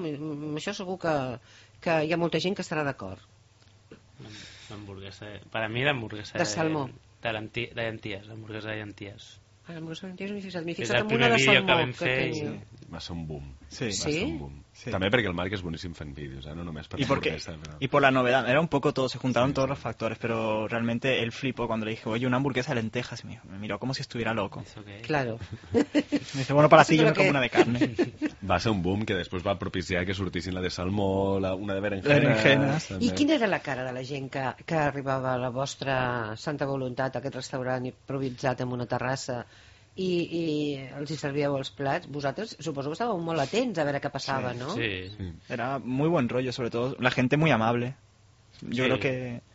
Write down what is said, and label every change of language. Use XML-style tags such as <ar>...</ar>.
<ca>Amb això segur que hi ha molta gent que estarà d'acord. L'hamburguesa, per a mi l'hamburguesa... De salmó. De llenties, l'hamburguesa de llenties. M'he fixat en una de salmó que tenia. Va ser un boom. Sí. Va ser un boom. Sí. També perquè el Marc és boníssim fent vídeos, no només per l'hamburguesa.</ca> <es>I per la novedad, era un poco todo, se juntaron todos los factores, pero realmente él flipó cuando le dije, oye, una hamburguesa de lentejas, mío. Me miró como si estuviera loco. Claro. Me dice, bueno, para ti yo me como una de carne.</es> <ca>Va ser un boom que després va propiciar que sortissin la de salmó, una de</ca> <es>berenjena.</es> <ca>I quina era la cara de la gent que arribava a la vostra Santa Voluntat, a aquest restaurant improvisat en una terrassa? I els hi servíeu els plats. Vosaltres, suposo que estàveu molt atents a veure què passava, sí, no? Sí.</ca> <es>Era muy buen rollo, sobretot la gente muy amable.</es> <ca>Jo crec que...</ca>